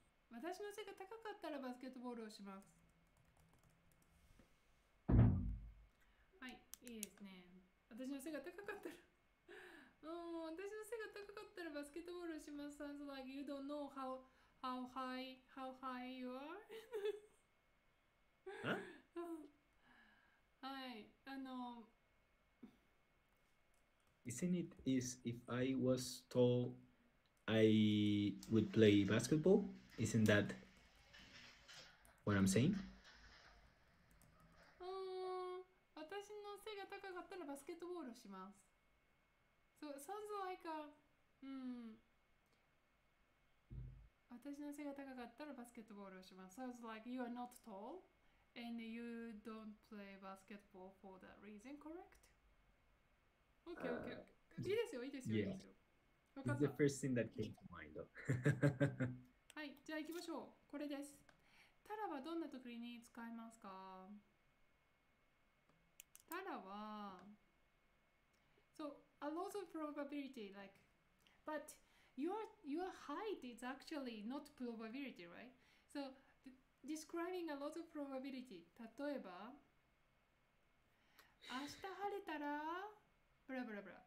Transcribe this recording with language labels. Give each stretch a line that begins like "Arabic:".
Japanese: 私の背が高かったらバスケットボールをします。はい、いいですね。私の背が高かったら私の背が高かったらバスケットボールします。
English: Sounds like you don't know how high you are.
Japanese: はい、
English: Isn't it is if I was tall, I would play basketball? Isn't that what I'm saying?
Japanese: 私の背が高かったらバスケットボールします。
English: So it sounds like a,
Japanese: 私の背が高かったらバスケットボールします。
English: Sounds like you are not tall and you don't play basketball for that reason, correct? Okay.
Japanese: いいですよ、いいですよ、いいですよ。わかった。
English: The first thing that came to mind.
Japanese: はい、じゃあ行きましょう。これです。タラはどんな時に使いますか？
English: タラは、so a lot of probability, like, but your height is actually not probability, right? So describing a lot of probability.
Japanese: 例えば、明日晴れたら。
English: Blah, blah, blah.